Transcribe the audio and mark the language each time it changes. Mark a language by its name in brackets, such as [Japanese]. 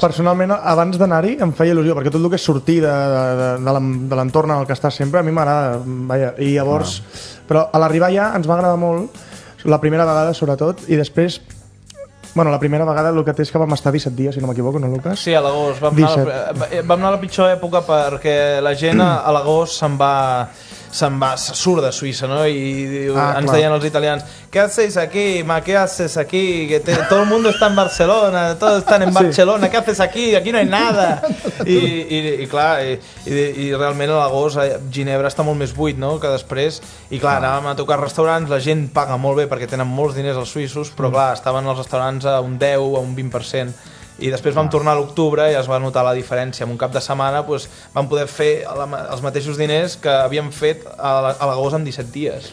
[Catalan] personalment, abans d'anar-hi em feia il·lusió, perquè tot el que és sortir de l'entorn en el que estàs sempre a mi m'agrada, i llavors però a l'arribar ja ens va agradar molt la primera vegada, sobretot, i després bueno, la primera vegada el que té és que vam estar 17 dies, si no m'equivoco, no, Lucas? Sí, a l'agost, vam anar a la pitjor època perquè la gent a l'agost se'n va, surt de Suïssa, no? I ens deien els italians, [Spanish] què haces aquí, ma, què haces aquí? Todo el mundo está en Barcelona, todos están en Barcelona, sí. ¿Qué haces aquí? Aquí no hay nada. [Catalan] I clar, realment a l'agost Ginebra està molt més buit, no?, que després. I clar, anàvem a tocar restaurants, la gent paga molt bé perquè tenen molts diners els suïssos, però clar, estaven els restaurants a un 10, a un 20%. I després vam tornar a l'octubre i es va notar la diferència. En un cap de setmana, pues, vam poder fer els mateixos diners que havíem fet a l'agost en 17 dies.